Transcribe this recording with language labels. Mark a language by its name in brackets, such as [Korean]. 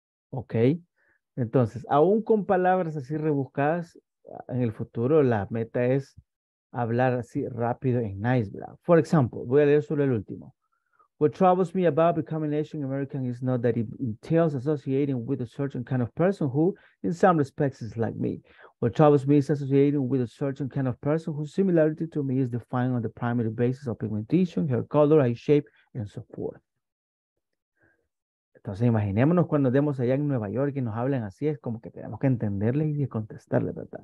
[Spanish] Ok, entonces, aún con palabras así rebuscadas, en el futuro la meta es hablar así rápido en nice black. [English] For example, [Spanish] voy a leer solo el último. [English] What troubles me about becoming Asian American is not that it entails associating with a certain kind of person who, in some respects, is like me. What troubles me is associating with a certain kind of person whose similarity to me is defined on the primary basis of pigmentation, hair color, eye shape, and so forth. [Spanish] Entonces, imaginémonos cuando andemos allá en Nueva York y nos hablan así, es como que tenemos que entenderle y contestarle, ¿verdad?